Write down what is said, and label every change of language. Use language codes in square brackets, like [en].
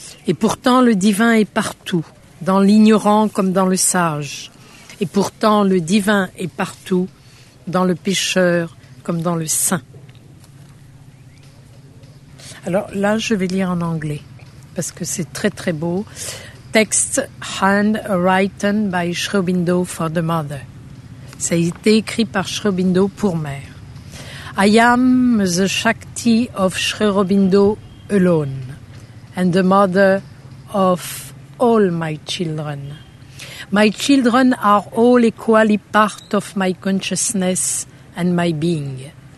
[fr] Et pourtant le divin est partout, dans l'ignorant comme dans le sage. Et pourtant le divin est partout, dans le pécheur comme dans le saint. Alors là, je vais lire en anglais, parce que c'est très très beau. [en] Text handwritten by Sri Aurobindo for the mother. [fr] Ça a été écrit par Sri Aurobindo pour mère. [en] I am the Shakti of Sri Aurobindo alone, and the mother of all my children. My children are all equally part of my consciousness and my being.